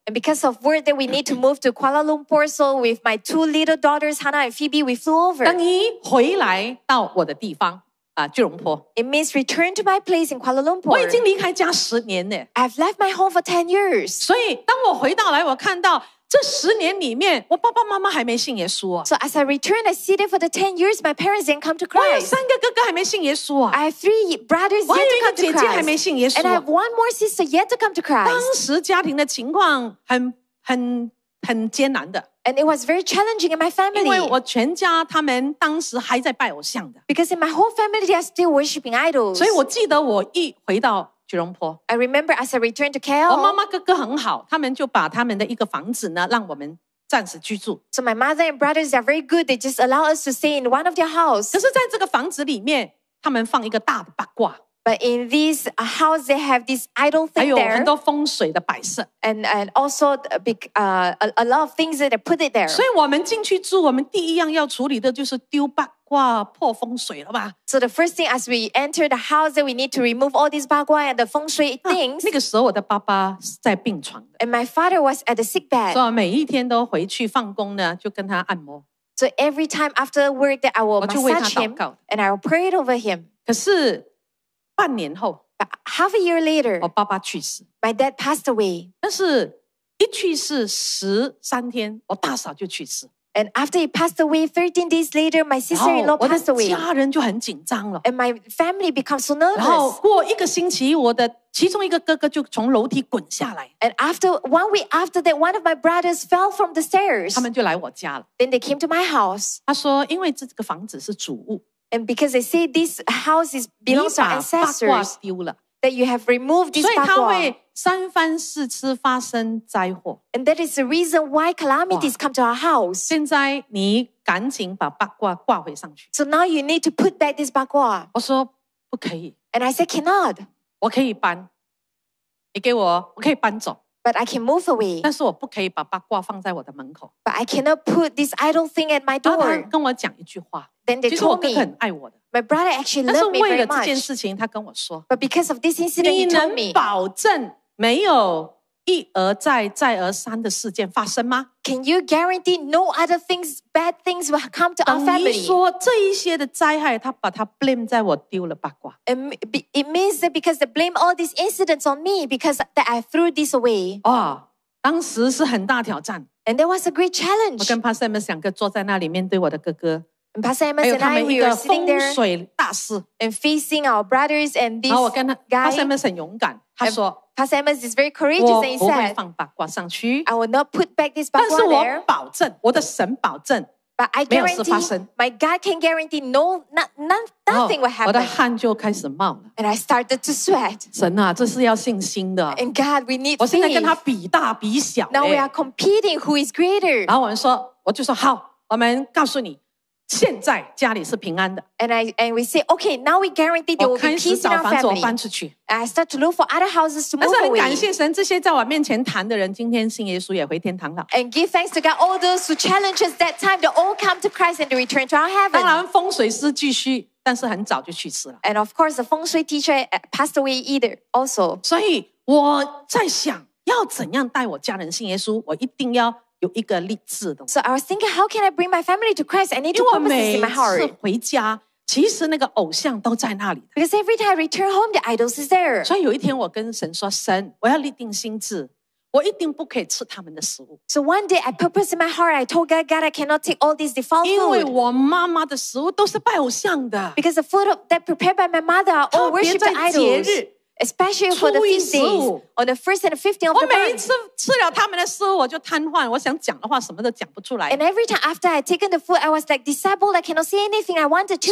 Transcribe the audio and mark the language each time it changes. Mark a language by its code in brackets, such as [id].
[en] And because of word that we need to move to Kuala Lumpur So with my two little daughters Hannah and Phoebe we flew over [zh] 等于回来到我的地方 吉隆坡 [en] It means return to my place in Kuala Lumpur. [zh] 我已经离开家10年了 [en] I've left my home for 10 years. [zh] 所以当我回到来，我看到这10年里面，我爸爸妈妈还没信耶稣。 [en] So as I return, I see that for the 10 years, my parents didn't come to Christ. [zh] 我有3个哥哥还没信耶稣。 [en] I have 3 brothers yet to come to Christ. [zh] 我还有一个姐姐还没信耶稣。 [en] And I have 1 more sister yet to come to Christ. [zh] 当时家庭的情况很艰难的。 [en] And it was very challenging in my family. [zh] 因为我全家他们当时还在拜偶像的。 [en] Because in my whole family, they are still worshipping idols. [zh] 所以我记得我一回到吉隆坡。 [en] I remember as I returned to KL. [zh] 我妈妈哥哥很好，他们就把他们的一个房子呢，让我们暂时居住。 [en] So my mother and brothers are very good. They just allow us to stay in one of their houses. [zh] 可是在这个房子里面，他们放一个大的八卦。 [en] But in this house, they have this idol thing there. [zh] 还有很多风水的摆设。 [en] And also a lot of things that they put it there. [zh] 所以我们进去住，我们第一样要处理的就是丢八卦、破风水了吧？ [en] So the first thing as we enter the house, that we need to remove all these 八卦 and the 风水 things. [zh] 那个时候我的爸爸在病床的。 [en] And my father was at the sick bed. [zh] 所以每一天都回去放工呢，就跟他按摩。 [en] So every time after work, that I will massage him and I will pray it over him. [zh] 可是 半年后, [en] half a year later, [zh] 我爸爸去世, [en] my dad passed away. [zh] 但是一去世13天, [en] and after he passed away, 13 days later, my sister-in-law passed away. [zh] 家人就很紧张了, [en] and my family becomes so nervous. [zh] 然后过一个星期, 我的其中一个哥哥就从楼梯滚下来, [en] and after 1 week after that, one of my brothers fell from the stairs. [zh] 他们就来我家了, [en] then they came to my house. [zh] 他说因为这个房子是主屋, [en] and because they say this house is belongs to ancestors, that you have removed this [zh] 所以他会三番四次发生灾祸, [en] and that is the reason why calamities come to our house. [zh] 现在你赶紧把八卦挂回上去, [en] so now you need to put back this 八卦. [zh] 我说不可以, [en] and I said cannot. [zh] 我可以搬, 你给我, 我可以搬走, [en] but I can move away. [zh] 但是我不可以把八卦放在我的门口, [en] but I cannot put this idol thing at my door. [zh] 然后他跟我讲一句话, [en] then they told me, [zh] 其实我哥哥很爱我的, [en] my brother actually loved me very much. [zh] 但是为了这件事情他跟我说, [en] but because of this incident he told me, [zh] 你能保证没有一而再再而三的事件发生吗? [en] Can you guarantee no other things, bad things will come to our family? [zh] 等于说这一些的灾害, 他把他blame在我丢了八卦, [en] and it means that because they blame all these incidents on me, because that I threw this away. [zh] 当时是很大挑战, [en] and there was a great challenge. [zh] 我跟Pastor Emerson两个坐在那里面对我的哥哥, [en] and Pastor Emerson and I, we were sitting there and facing our brothers and this guy. [zh] Pastor Emerson很勇敢, 他说, [en] Pastor Emerson is very courageous and he said, [zh] 我不会放八卦上去, [en] I will not put back this 八卦 there. [zh] 但是我保证, 我的神保证, [en] but I guarantee, my God can guarantee nothing will happen. [zh] 我的汗就开始冒了, [en] and I started to sweat. [zh] 神啊, 这是要信心的, [en] and God, we need [zh] 我现在跟他比大比小, [en] now we are competing who is greater. [zh] 然后我们说, 我就说, 好, 我们告诉你, 现在家里是平安的, [en] and we say, okay, now we guarantee there will be peace in our family. [zh] 我开始找房子我搬出去, [en] and I start to look for other houses to move away. [zh] 但是很感谢神, 这些在我面前谈的人, 今天信耶稣也回天堂了, [en] and give thanks to God, all those who challenged us that time, they all come to Christ and they return to our heaven. [zh] 当然风水师继续, 但是很早就去世了, [en] and of course the 风水 teacher passed away either also. [zh] 所以我在想, 要怎样带我家人信耶稣, 我一定要 有一个立志的, [en] so I was thinking, how can I bring my family to Christ? I need to promise this in my heart. [zh] 因为我每次回家, 其实那个偶像都在那里的, [en] because every time I return home, the idols is there. [zh] 所以有一天我跟神说, 神, 我要立定心志, 我一定不可以吃他们的食物。 [en] So one day I purpose in my heart, I told God, God, I cannot take all these default food. [zh] 因为我妈妈的食物都是拜偶像的, [en] because the food that prepared by my mother are all worship the idols. Especially for the feast days, on the first and the 15th of the month. [zh] 我每一次吃了他们的食物，我就瘫痪，我想讲的话什么都讲不出来。 [en] And every time after I taken the food, I was like disabled, I cannot say anything I wanted to.